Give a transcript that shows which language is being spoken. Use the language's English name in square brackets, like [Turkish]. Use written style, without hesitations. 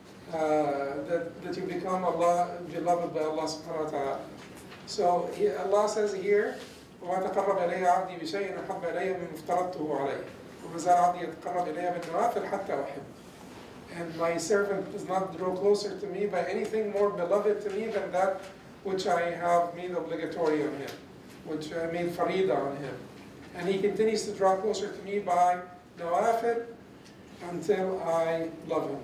[English] That you become Allah beloved by Allah subhanahu wa ta'ala. [Arabic] So Allah says here, وَمَا تَقَرَّبَ إِلَيَّ عَبْدِي بِشَيْءٍ أَحَبَّ إِلَيَّ مِنْ افْتَرَضْتُهُ عَلَيْهِ وَمَزَالَ عَبْدِي يَتَقَرَّبَ إِلَيَّ مِنْ نَوَافِلْ حَتَّى أُحِبُّ. [English] And my servant does not draw closer to me by anything more beloved to me than that which I have made obligatory on him, which I made farida on him. And he continues to draw closer to me by nawafil until I love him.